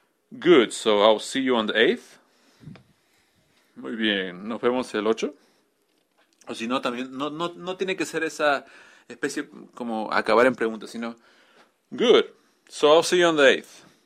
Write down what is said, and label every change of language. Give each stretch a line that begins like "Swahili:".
English: Good, so I'll see you on the 8th.
Spanish: Muy bien, nos vemos el 8. O si no, también, no tiene que ser esa especie como acabar en preguntas, sino...
English: Good, so I'll see you on the 8th.